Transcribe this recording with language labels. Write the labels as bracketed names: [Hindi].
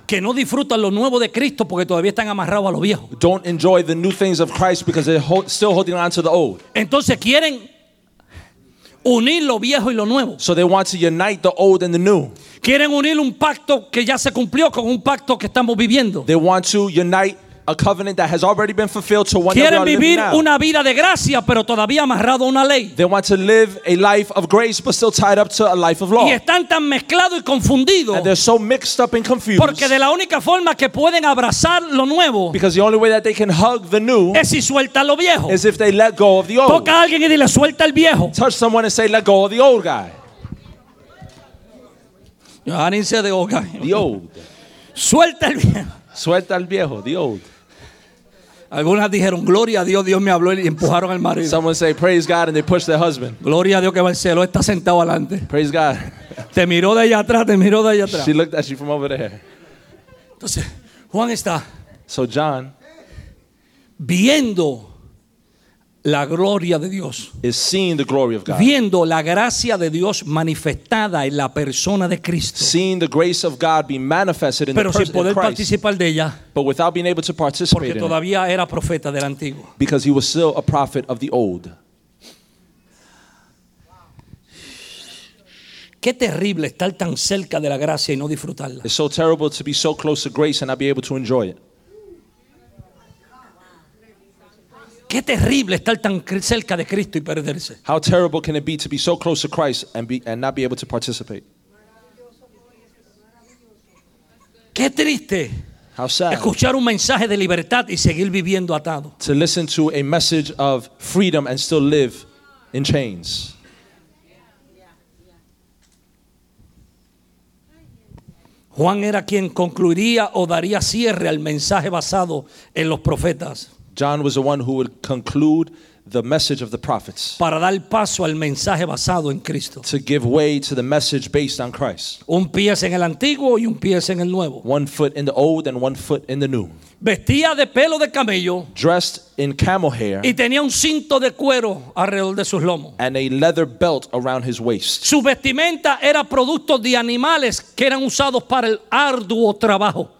[Spanish] Que no disfrutan lo nuevo de Cristo porque todavía están amarrados a lo viejo. [English] Don't enjoy the new things of Christ because they're still holding on to the old. [Spanish] Entonces quieren unir lo viejo y lo nuevo. [English] So they want to unite the old and the new. [Spanish] Quieren unir un pacto que ya se cumplió con un pacto que estamos viviendo. [English] They want to unite a covenant that has already been fulfilled to one [Spanish] Quieren vivir una vida de gracia, pero todavía amarrado a una ley. [English] They want to live a life of grace, but still tied up to a life of law. [Spanish] Y están tan mezclados y confundidos. [English] And they're so mixed up and confused. [Spanish] Porque de la única forma que pueden abrazar lo nuevo. [English] Because the only way that they can hug the new. [Spanish] Es si suelta lo viejo. [English] Is if they let go of the old. [Spanish] Toca a alguien y dile suelta el viejo. [English] Touch someone and say let go of the old guy. No, I didn't say the old guy. The old. [Spanish] Suelta el viejo. Suelta el viejo. [English] The old. [Spanish] Algunas dijeron gloria a Dios, Dios me habló y empujaron al marido. [English] Someone say praise God and they pushed their husband. [Spanish] Gloria a Dios que el cielo está sentado adelante. [English] Praise God. [Spanish] Te miró de allá atrás, te miró de allá atrás. [English] She looked at you from over there. [Spanish] Entonces Juan está. [English] So John [Spanish] viendo la gloria de Dios. [English] Is seeing the glory of God. [Spanish] Viendo la gracia de Dios manifestada en la persona de Cristo. [English] Seeing the grace of God be manifested in [Spanish] Pero [English] the person [Spanish] Pero sin poder participar de ella. [English] But without being able to participate [Spanish] Porque todavía [English] in it, [Spanish] era profeta del antiguo. [English] Because he was still a prophet of the old. [Spanish] Qué terrible estar tan cerca de la gracia y no disfrutarla. [English] It's so terrible to be so close to grace and not be able to enjoy it. [Spanish] Qué terrible estar tan cerca de Cristo y perderse. [English] How terrible can it be to be so close to Christ and not be able to participate? [Spanish] Qué triste. [English] How sad. [Spanish] Escuchar un mensaje de libertad y seguir viviendo atado. [English] To listen to a message of freedom and still live in chains. [Spanish] Juan era quien concluiría o daría cierre al mensaje basado en los profetas. [English] John was the one who would conclude the message of the prophets. [Spanish] Para dar paso al mensaje basado en Cristo. [English] To give way to the message based on Christ. [Spanish] Un pie en el antiguo y un pie en el nuevo. [English] One foot in the old and one foot in the new. [Spanish] Vestía de pelo de camello. [English] Dressed in camel hair. [Spanish] Y tenía un cinto de cuero alrededor de sus lomos. [English] And a leather belt around his waist. [Spanish] Su vestimenta era producto de animales que eran usados para el arduo trabajo.